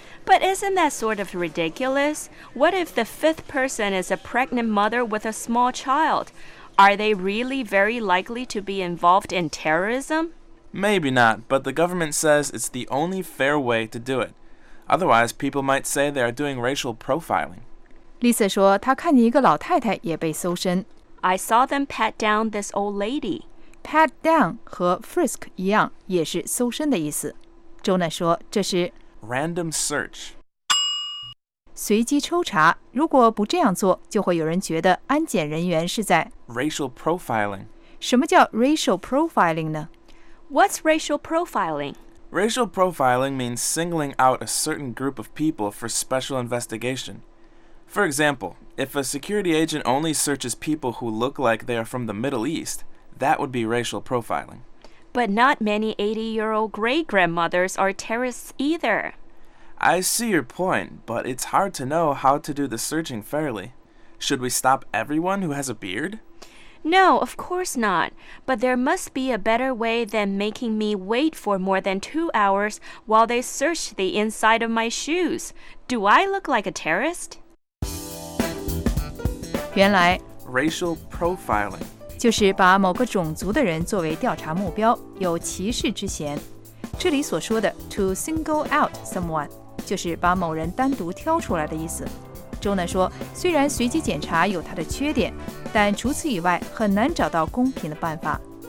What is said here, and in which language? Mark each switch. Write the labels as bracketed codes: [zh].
[en] But isn't that sort of ridiculous? What if the fifth person is a pregnant mother with a small child? Are they really very likely to be involved in terrorism? Maybe not, but the government says it's the only fair way to do it. Otherwise, people might say they are doing racial profiling. [zh] Lisa 说她看见一个老太太也被搜身。 [en] I saw them pat down this old lady. [zh] Pat down 和 frisk 一样，也是搜身的意思。 Jonah 说这是 [en] random search. [zh] 随机抽查，如果不这样做，就会有人觉得安检人员是在 [en] racial profiling。 [zh] 什么叫 racial profiling 呢？ [en] What's racial profiling? Racial profiling means singling out a certain group of people for special investigation. For example, if a security agent only searches people who look like they are from the Middle East, that would be racial profiling. But not many 80-year-old great-grandmothers are terrorists either. I see your point, but it's hard to know how to do the searching fairly. Should we stop everyone who has a beard? No, of course not. But there must be a better way than making me wait for more than 2 hours while they search the inside of my shoes. Do I look like a terrorist? [zh] 原来 [en] Racial profiling. [zh] 就是把某个种族的人作为调查目标，有歧视之嫌。这里所说的 to single out someone 就是把某人单独挑出来的意思。周娜说，虽然随机检查有它的缺点，但除此以外很难找到公平的办法。